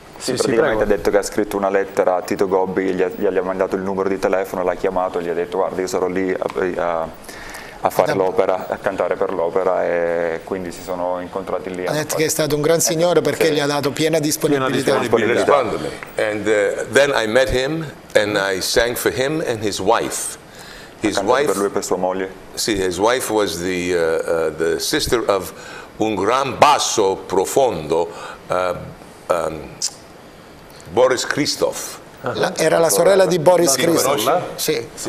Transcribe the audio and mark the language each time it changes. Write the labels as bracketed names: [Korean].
[Italian] Sì, praticamente prego. Ha detto che ha scritto una lettera a Tito Gobbi, gli ha mandato il numero di telefono, l'ha chiamato, gli ha detto guarda io sarò lì a fare l'opera, a cantare per l'opera, e quindi si sono incontrati lì. Ha detto che è stato un gran signore perché gli ha dato piena disponibilità. [English] And then I met him and I sang for him and his wife. His wife, [Italian] per lui e per sua moglie. [English] Sì, his wife was the sister of [Italian] un gran basso profondo, [English] Boris Christoph. [Italian] Era la sorella di Boris Christoph. Sì.